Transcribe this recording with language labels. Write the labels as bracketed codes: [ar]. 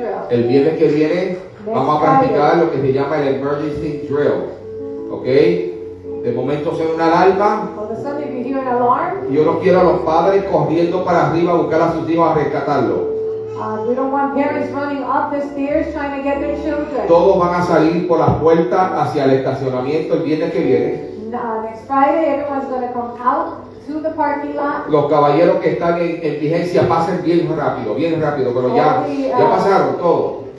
[es] El viernes que viene vamos a practicar lo que se llama el [en] emergency drill. [es] Ok, de momento suena una alarma. [en] Well, [es] yo no quiero a los padres corriendo para arriba a buscar a sus hijos a rescatarlo. [en] We don't want parents running up the stairs trying to get their children. [es] Todos van a salir por la puerta hacia el estacionamiento el viernes que viene. [en] Next Friday, everyone's going to come out to the parking lot. [es] Los caballeros que están en vigencia pasen bien rápido, pero ya pasaron todo.